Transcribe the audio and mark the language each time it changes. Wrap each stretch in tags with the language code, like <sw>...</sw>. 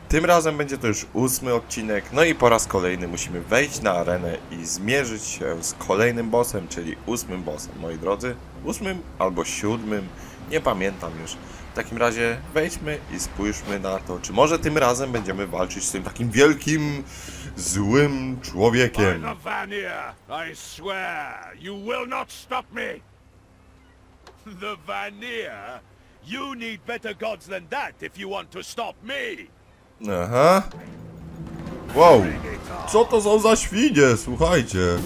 <pl>Tym razem będzie to już 8 odcinek, no i po raz kolejny musimy wejść na arenę i zmierzyć się z kolejnym bossem, czyli 8 bossem, moi drodzy. 8 albo 7, nie pamiętam już. W takim razie wejdźmy i spójrzmy na to, czy może tym razem będziemy walczyć z tym takim wielkim, złym człowiekiem.</pl> <en>By the Vanir, I swear, you will not stop me! The Vanir? You need better gods than that, if you want to stop me! Aha.</en> <pl>Wow, co to są za świnie, słuchajcie.</pl>